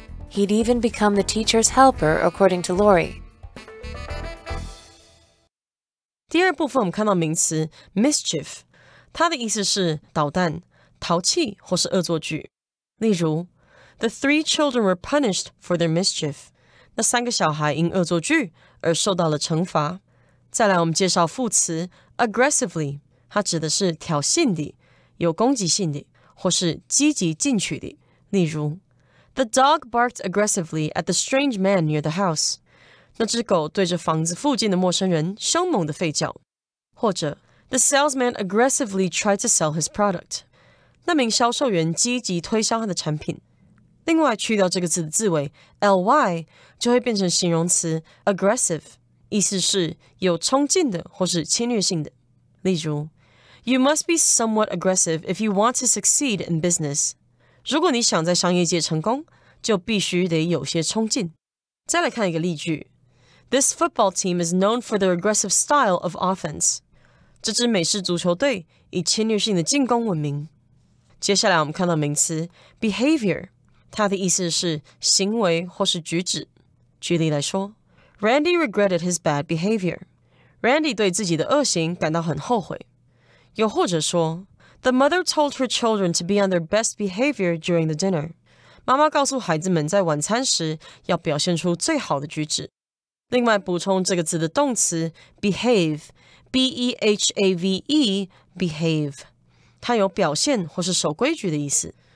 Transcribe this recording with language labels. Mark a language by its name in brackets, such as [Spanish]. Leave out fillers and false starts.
[English] He'd even become the teacher's helper, according to Lori. [Chinese] 第二部分我们看到名词 mischief， 它的意思是捣蛋、淘气或是恶作剧。 [English] 例如 ，The three children were punished for their mischief。 [Chinese] 那三个小孩因恶作剧而受到了惩罚。再来，我们介绍副词 aggressively， 它指的是挑衅的、有攻击性的或是积极进取的。例如。 [English] The dog barked aggressively at the strange man near the house. [Chinese] 那只狗对着房子附近的陌生人凶猛地吠叫。 [English] 或者 The salesman aggressively tried to sell his product. [Chinese] 那名销售员积极推销他的产品。另外去掉这个字的字尾 ly 就会变成形容词 aggressive， 意思是有冲劲的或是侵略性的。 [English] 例如 You must be somewhat aggressive if you want to succeed in business. [Chinese] 如果你想在商业界成功，就必须得有些冲劲。再来看一个例句 [English] ：This football team is known for their aggressive style of offense. [Chinese] 这支美式足球队以侵略性的进攻闻名。接下来我们看到名词 behavior， 它的意思是行为或是举止。举例来说 [English] ，Randy regretted his bad behavior. [Chinese] Randy 对自己的恶行感到很后悔。又或者说。 [English] The mother told her children to be on their best behavior during the dinner. [Chinese] 妈妈告诉孩子们在晚餐时要表现出最好的举止。 [English] 另外补充这个字的动词 behave, B-E-H-A-V-E, behave. [Chinese] 它有表现或是守规矩的意思。